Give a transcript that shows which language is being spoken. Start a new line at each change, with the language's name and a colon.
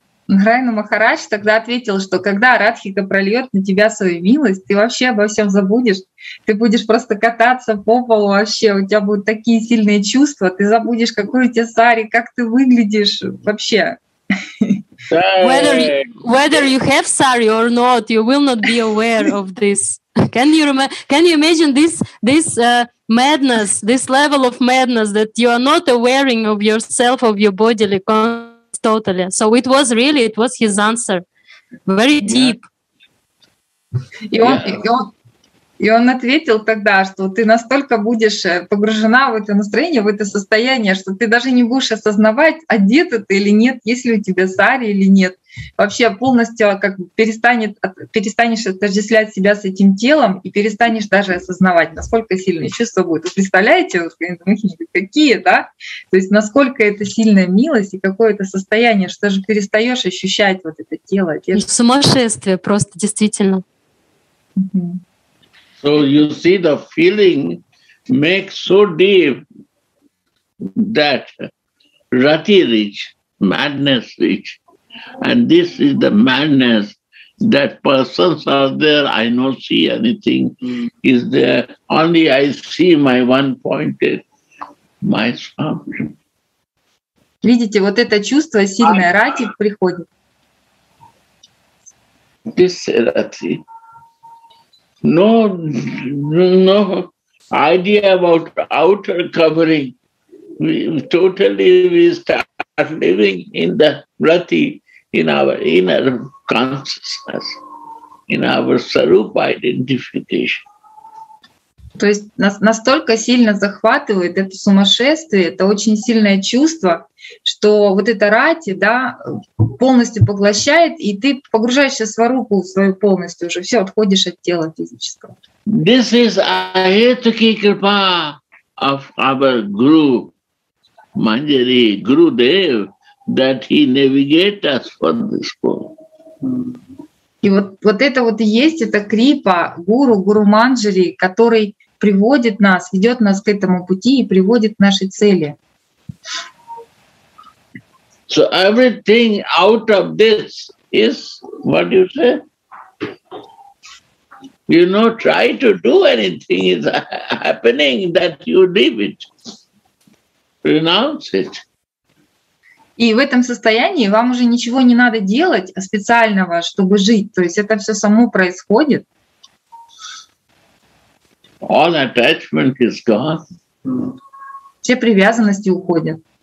Russian: Нараяна Махарадж тогда ответил, что когда Радхика прольет на тебя свою милость, ты вообще обо всем забудешь, ты будешь просто кататься по полу вообще, у тебя будут такие сильные чувства, ты забудешь, какой у тебя сари, как ты выглядишь вообще.
English: Whether you have sari or not, you will not be aware of this. Can you imagine this madness, this level of madness that you are not aware of yourself, of your bodily consciousness? Totally. So it was his answer. Very deep.
Russian: И он ответил тогда, что ты настолько будешь погружена в это настроение, в это состояние, что ты даже не будешь осознавать, одета ты или нет, есть ли у тебя сари или нет. Вообще полностью как бы перестанешь отождествлять себя с этим телом и перестанешь даже осознавать, насколько сильные чувства будут. Вы представляете, какие, да? То есть насколько это сильная милость и какое это состояние, что же перестаешь ощущать вот это тело. Сумасшествие просто, действительно.
English: So you see, the feeling makes so deep that rati reach, madness reach. And this is the madness that persons are there, I don't see anything, is there. Only I see my one-pointed, my swami.
Russian: Видите, вот это чувство сильное, рати приходит.
English: This rati. No idea about outer covering. We start living in the rati, in our inner consciousness, in our sarupa identification.
Russian: То есть нас настолько сильно захватывает это сумасшествие, это очень сильное чувство, что вот эта рати, да, полностью поглощает, и ты погружаешься в сварупу свою полностью уже, все, отходишь от тела физического.
English: This is Ahetuki Kripa of our Guru Manjari, Guru Dev, that he navigates us for this world.
Russian: И вот это вот и есть, это Крипа, Гуру Манджари, который приводит нас, ведет нас к этому пути и приводит к нашей цели.
English: So everything out of this is what you say. You know, try to do anything is happening that you leave it, renounce it.
Russian: И в этом состоянии вам уже ничего не надо делать специального, чтобы жить. То есть это все само происходит.
English: All attachment is gone.
Russian: Все привязанности уходят.